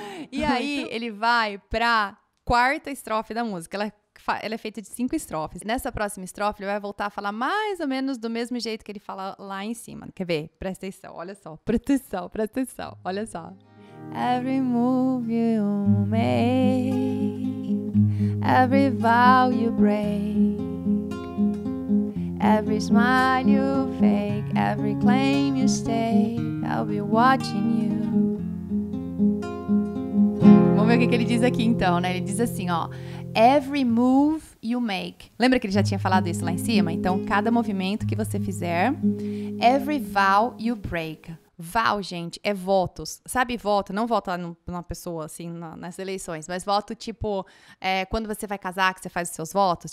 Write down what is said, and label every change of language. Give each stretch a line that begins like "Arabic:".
Portuguese: Ele vai pra quarta estrofe da música. Ela é feita de 5 estrofes. Nessa próxima estrofe, ele vai voltar a falar mais ou menos do mesmo jeito que ele fala lá em cima. Quer ver? Presta atenção, olha só. Proteção, presta atenção, olha só.
English: Every move you make, every vow you break, every smile you fake, every claim you stay, I'll be watching you.
Portuguese: Vamos ver o que ele diz aqui, então, né? Ele diz assim, ó.
English: Every move you make.
Portuguese: Lembra que ele já tinha falado isso lá em cima? Então, cada movimento que você fizer.
English: Every vow you break.
Portuguese: Vow, gente, é votos. Sabe voto? Não voto numa pessoa, assim, nas eleições. Mas voto, tipo, quando você vai casar, que você faz os seus votos.